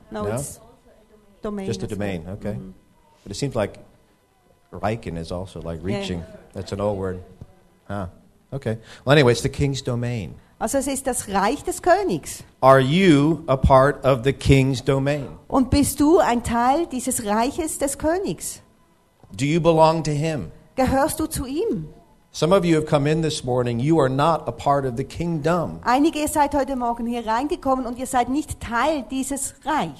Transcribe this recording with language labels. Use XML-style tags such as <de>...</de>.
<en>No, no, it's domain. Just a domain, okay. Mm-hmm. But it seems like Reichen is also like reaching. Yeah. That's an old word. Huh. Okay. Well, anyway, it's the king's domain.</en> <de>Also es ist das Reich des Königs.</de> <en>Are you a part of the king's domain?</en> <de>Und bist du ein Teil dieses Reiches des Königs?</de> <en>Do you belong to him?</en> <de>Gehörst du zu ihm?</de> <en>Some of you have come in this morning, you are not a part of the kingdom.</en> <de>Einige seid heute Morgen hier reingekommen und ihr seid nicht Teil dieses Reichs.</de>